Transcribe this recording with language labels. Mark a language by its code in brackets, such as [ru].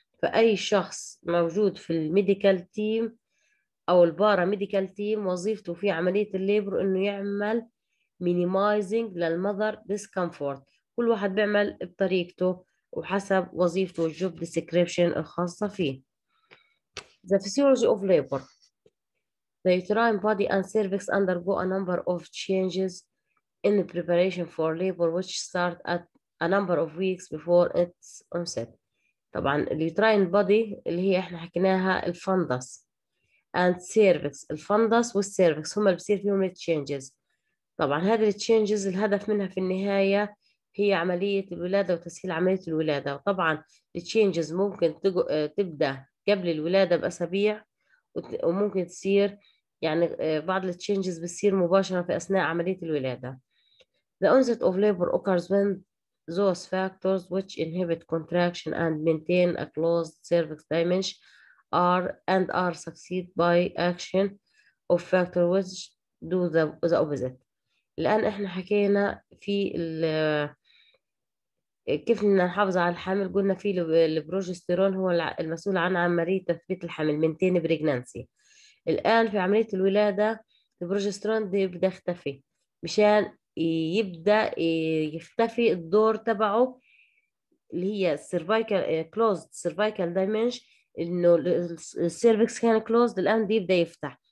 [ar] فاي شخص موجود في الميديكال تيم او البارا ميديكال تيم وظيفته في عملية الليبر انه يعمل مينيمايزنج للمذر ديسكمفورت. كل واحد بيعمل بطريقته وحسب وظيفته والجوب ديسكريبشن الخاصة فيه. [en] The physiology of labor. The uterine body and cervix undergo a number of changes in the preparation for labor which start at a number of weeks before its onset. [ar] طبعا اليوتراين بودي اللي هي احنا حكيناها الفندس [en] and cervix. [ar] الفندس والسيرفيكس هما اللي بصير فيهم التشينجز. طبعا هذه التشينجز الهدف منها في النهاية هي عملية الولادة وتسهيل عملية الولادة. وطبعا التشينجز ممكن تبدأ قبل الولادة بأسابيع وممكن تصير يعني بعض التشينجز بتصير مباشرة في أثناء عملية الولادة. [en] The onset of labor occurs when those factors which inhibit contraction and maintain a closed cervix damage are succeeded by action of factor which do the opposite. [ar] الآن إحنا حكينا في كيف نحافظ على الحمل، قلنا في البروجستيرون هو المسؤول عن عملية تثبيت الحمل [en] maintain pregnancy. [ar] الآن في عملية الولادة البروجسترون دي بدأ يختفي، مشان يبدأ يختفي الدور تبعه اللي هي السيرفايكال كلوزد سيرفايكال دايمنج، انه السيرفكس كان كلوزد، الآن دي بدأ يفتح.